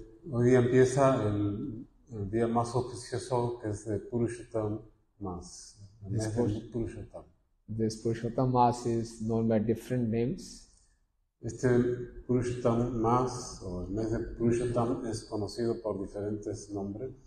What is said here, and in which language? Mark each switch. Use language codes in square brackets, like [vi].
[es] Hoy empieza el día más auspicioso que es de Purushottam Mas. [en] This Purushottam Mas is known by different names. [es] Este Purushottam Mas o el mes de Purushottam es conocido por diferentes nombres.